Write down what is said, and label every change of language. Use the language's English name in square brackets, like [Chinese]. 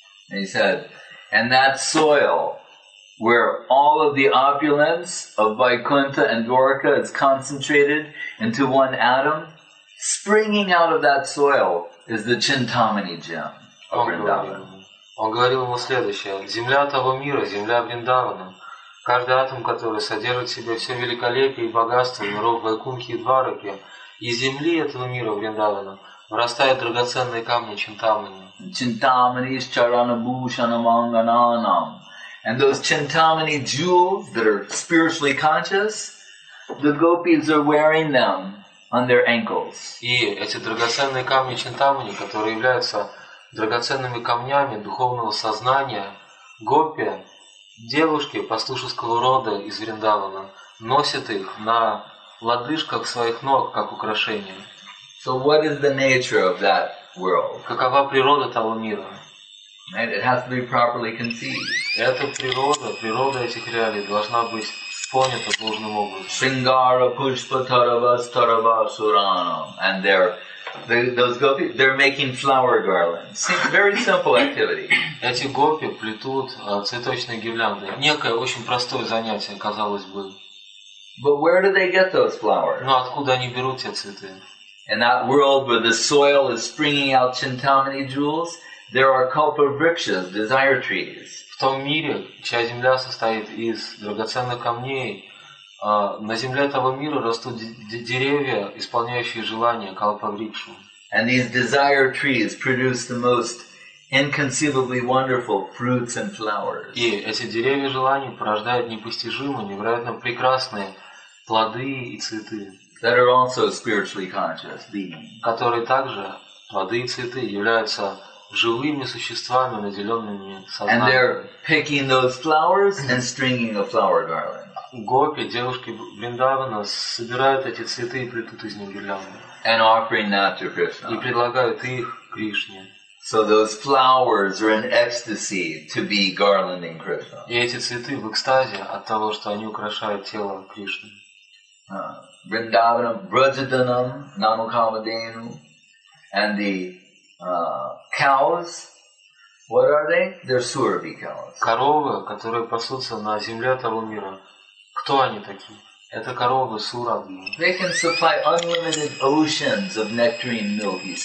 [English] And he said, and that soil where all of the opulence of Vaikuntha and Dwarka is concentrated into one atom, springing out of that soil is the Chintamani gem of Vrindavan. [Russian] Он говорил ему следующее. Земля того мира, земля Вриндавана, каждый атом, который содержит в себе все великолепие и богатство миров Вайкунхи и Двараки, из земли этого мира Вриндавана вырастают драгоценные камни Чинтамани. [Sanskrit] Chintamani is charana bhushana mangananam. [English] And those Chintamani jewels that are spiritually conscious, the gopis are wearing them on their ankles. [Russian] И эти драгоценные камни Чинтамани, которые являются драгоценными камнями духовного сознания, гопи, девушки пастушеского рода из Вриндавана, носят их на лодыжках своих ног как украшение. [English] So what is the nature of that world? [Russian] Какова природа того мира? [English] And it has to be properly conceived. [Russian] Эта природа этих реалий должна быть понято должным образом. [Sanskrit] Шингара пушпа таравас таравасуранам. [English] And those gopis, they're making flower garlands. Very simple activity. [Russian] Эти гопи плетут цветочные гирлянды. Некое очень простое занятие, казалось бы. [English] But where do they get those flowers? [Russian] Но откуда они берут эти цветы? [English] In that world where the soil is springing out Chintamani jewels, there are kalpa vrikshas, desire trees. [Russian] В том мире, чья земля состоит из драгоценных камней, на земле того мира растут деревья, исполняющие желания калпаврикшу. [English] And these desire trees produce the most inconceivably wonderful fruits and flowers. [Russian] И эти деревья желаний порождают непостижимые, невероятно прекрасные плоды и цветы. [English] That are also spiritually conscious beings. [Russian] Которые также плоды и цветы являются живыми существами, наделенными сознанием. [English] And they're picking those flowers and stringing a flower garland. [Russian] Гопи, девушки Вриндавана, собирают эти цветы и плетут из них гирлянды. [English] And offering that to Krishna. [Russian] И предлагают их Кришне. [English] So those flowers are in ecstasy to be garlanding Krishna. [Russian] И эти цветы в экстазе от того, что они украшают тело Кришны. [Sanskrit] Вриндаванам, Браджаданам, Намукамадену, [English] and the cows, what are they? They're Surabhi cows. [Russian] Коровы, которые пасутся на земле того мира. Кто они такие? Это коровы Сурабхи. [English] They can supply unlimited oceans of nectarine milk.